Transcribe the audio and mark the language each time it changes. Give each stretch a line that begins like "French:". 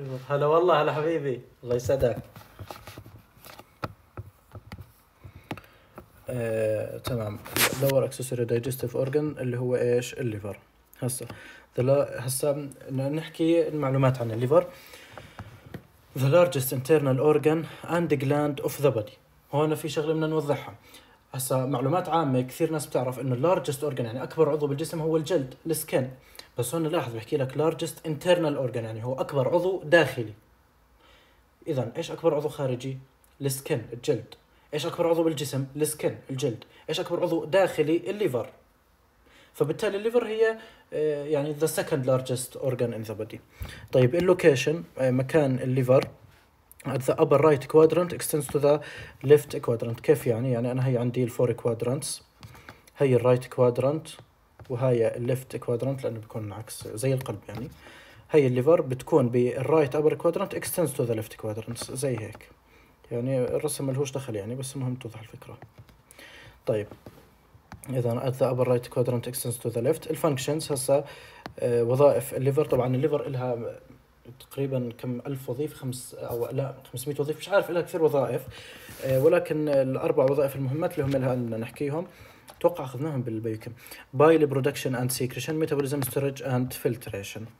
Arabic: هلا والله هلا حبيبي الله يسعدك. تمام اللور أكسسوري دايجستيف أورجان اللي هو إيش الليفر. هسا نحكي المعلومات عن الليفر.
English: The largest internal organ and gland of the body.
Arabic: هون في شغله بدنا نوضحها هسه معلومات عامه. كثير ناس بتعرف انه اللارجست اورجان يعني اكبر عضو بالجسم هو الجلد السكن, بس هون لاحظ بحكي لك
English: largest internal organ
Arabic: يعني هو اكبر عضو داخلي. اذا ايش اكبر عضو خارجي؟ السكن الجلد. ايش اكبر عضو بالجسم؟ السكن الجلد. ايش اكبر عضو داخلي؟ الليفر. فبالتالي الليفر هي يعني
English: The second largest organ in the body.
Arabic: طيب اللوكيشن مكان الليفر
English: at the upper right quadrant extends to the left quadrant.
Arabic: كيف يعني؟ يعني أنا هي عندي الفور quadrants, هي الرايت quadrant وهي الليفت quadrant لأنه بيكون عكس زي القلب يعني. هي الليفر بتكون بالرايت
English: upper quadrant extends to the left quadrants
Arabic: زي هيك يعني. الرسم ملهوش دخل يعني بس مهم توضح الفكرة.
English: طيب إذا at the upper right quadrant extends to the left.
Arabic: الفانكشنز هسا وظائف الليفر. طبعا الليفر إلها تقريبا كم ألف وظيفة, خمس أو لا 500 وظيفة مش عارف, لها كثير وظائف. ولكن الأربع وظائف المهمات اللي هم لها أن نحكيهم توقع أخذناهم بالبيوكيم.
English: Bile production and secretion, metabolism storage and filtration.